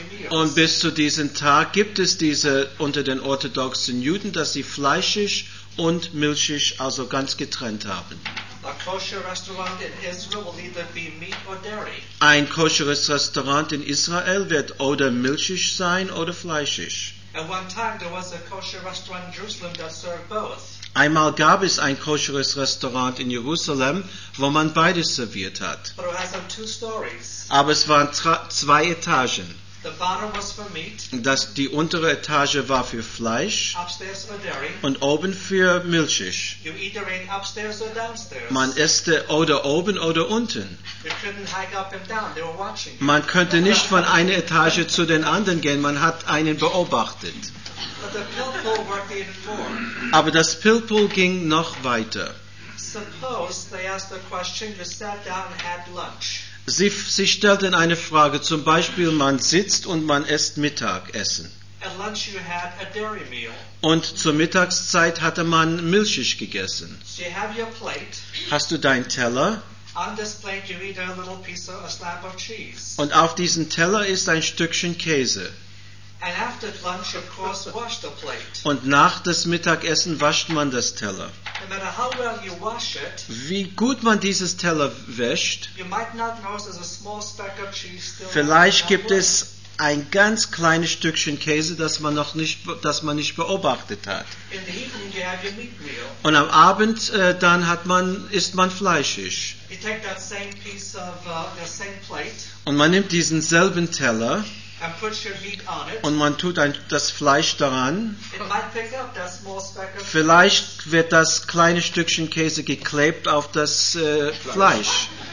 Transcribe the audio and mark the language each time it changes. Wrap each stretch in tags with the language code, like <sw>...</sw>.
<de>Und bis zu diesem Tag gibt es diese unter den orthodoxen Juden, dass sie fleischig und milchig, also ganz getrennt haben.</de> <en>A kosher restaurant in Israel will either be meat or dairy.</en> <de>Ein koscheres Restaurant in Israel wird oder milchig sein oder fleischig.</de> <en>At one time there was a kosher restaurant in Jerusalem that served both.</en> <de>Einmal gab es ein koscheres Restaurant in Jerusalem, wo man beides serviert hat.</de> <en>But it has some two stories.</en> <de>Aber es waren zwei Etagen.</de> <en>The bottom was for meat.</en> <de>Das, die untere Etage war für Fleisch.</de> <en>Upstairs for dairy.</en> <de>Und oben für milchig.</de> <en>You either ate upstairs or downstairs.</en> <de>Man esste oder oben oder unten.</de> <en>You couldn't hike up and down. They were watching you.</en> <de>Man könnte nicht von einer Etage zu den anderen gehen. Man hat einen beobachtet.</de> <en>But the pill pool worked even more.</en> <de>Aber das Pill Pool ging noch weiter.</de> <en>Suppose they asked the question, you sat down and had lunch.</en> <de>Sie stellten eine Frage, zum Beispiel, man sitzt und man isst Mittagessen.</de> <en>At lunch you had a dairy meal.</en> <de>Und zur Mittagszeit hatte man milchig gegessen.</de> <en>So you have your plate.</en> <de>Hast du deinen Teller?</de> <en>On this plate you eat a little piece of, a slab of cheese.</en> <de>Und auf diesem Teller ist ein Stückchen Käse.</de> <en>And after lunch, of course, wash the plate.</en> <de>Und nach das Mittagessen wascht man das Teller.</de> <en>No matter how well you wash it,</en> <de>wie gut man dieses Teller wäscht,</de> <en>you might not notice there's a small speck of cheese still.</en> <de>Vielleicht gibt es ein ganz kleines Stückchen Käse, das man nicht beobachtet hat.</de> <en>In the evening you have your meat meal.</en> <de>Und am Abend dann isst man fleischig.</de> <en>You take that same piece of, the same plate.</en> <de>Und man nimmt diesen selben Teller.</de> <en>And put your meat on it.</en> <de>Und man tut das Fleisch daran.</de> <en>It might pick up that small speck of</en> <de>Vielleicht cheese. Wird das kleine Stückchen Käse geklebt auf das Fleisch.</de>